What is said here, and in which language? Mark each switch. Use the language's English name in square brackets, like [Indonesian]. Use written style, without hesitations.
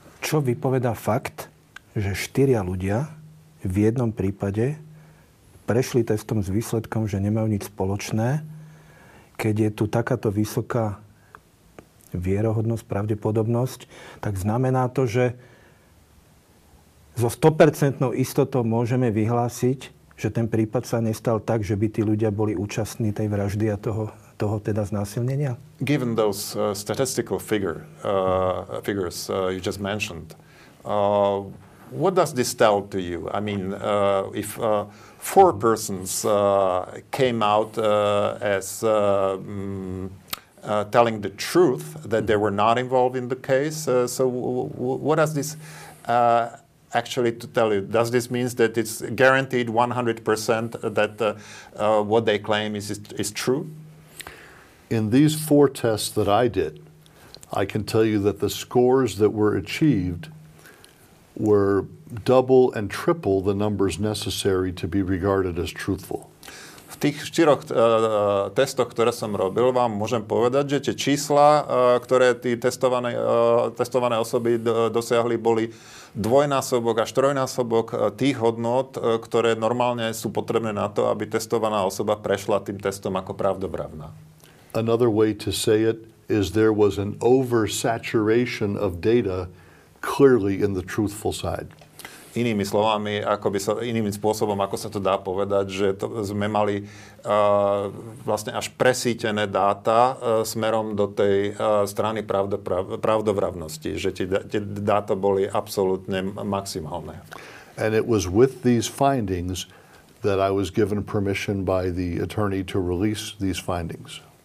[Slovak] Čo vypovedá fakt, že štyria ľudia v jednom prípade prešli testom s výsledkom, že nemajú nič spoločné, keď je tu takáto vysoká vierohodnosť, pravdepodobnosť, tak znamená to, že so 100% istotou môžeme vyhlásiť, že ten prípad sa nestal tak, že by tí ľudia boli účastní tej vraždy a toho teda znásilnenia? [English] Given those statistical figures you just mentioned, what does this tell to you? I mean, if four persons came out as telling the truth that they were not involved in the case, so what does this actually to tell you? Does this mean that it's guaranteed 100% that what they claim is true? In these four tests that I did, I can tell you that the scores that were achieved were double and triple the numbers necessary to be regarded as truthful. [Slovak] V tých štyroch testoch, ktoré som robil, vám môžem povedať, že tie čísla, ktoré tí testované osoby dosiahli, boli dvojnásobok až trojnásobok tých hodnot, ktoré normálne sú potrebné na to, aby testovaná osoba prešla tým testom ako pravdobravná. [English] Another way to say it is there was an oversaturation of data clearly in the truthful side. [Slovak] Inými slovami, ako by sa, iným spôsobom, ako sa to dá povedať, že to sme mali vlastne až presýtené dáta smerom do tej strany pravdovravnosti, že tie dáta boli absolútne maximálne. [English] And it was with these findings that I was given permission by the attorney to release these findings.